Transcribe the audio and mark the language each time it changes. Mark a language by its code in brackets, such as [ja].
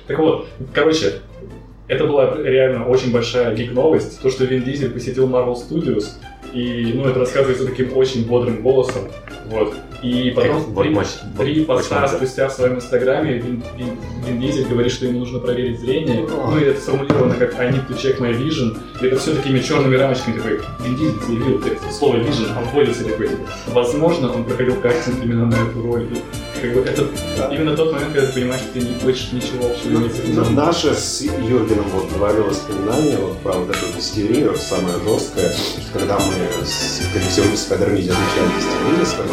[ru] Так вот, короче, это была реально очень большая гик-новость, то, что Вин Дизель посетил Marvel Studios, и, ну, это рассказывается таким очень бодрым голосом, вот. И потом три поста спустя в своем инстаграме Вин Дизель говорит, что ему нужно проверить зрение. Ну и это сформулировано как [en] «I need to check my vision». [ru] И это все такими черными рамочками такой «Вин Дизель заявил», слово «vision» обходится такой. Возможно, он проходил кастинг именно на эту роль. И, как бы, это именно тот момент, когда ты понимаешь, что ты не хочешь ничего общего иметь. Наше с Юргеном вот говорило воспоминание, вот про вот эту истерию, самое жесткое, когда мы с коллективом Спайдер-Миди отвечали истерию,